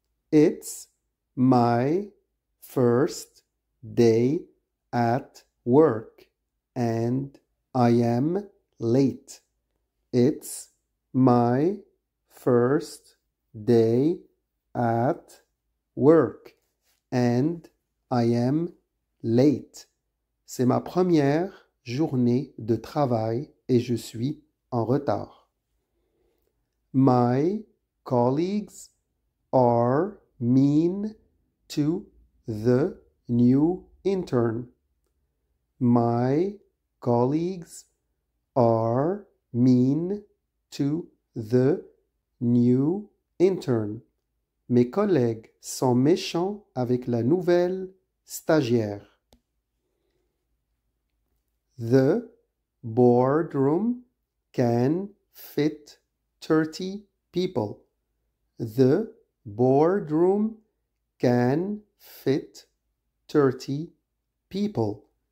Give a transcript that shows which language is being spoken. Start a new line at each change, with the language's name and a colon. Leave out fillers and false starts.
English: It's my first day at work and I am late. It's my first day at work and I am late.
French: C'est ma première journée de travail et je suis en retard.
English: My colleagues are mean to the new intern. My colleagues are mean to the new intern.
French: Mes collègues sont méchants avec la nouvelle stagiaire.
English: The boardroom can fit 30 people. The boardroom can fit 30 people.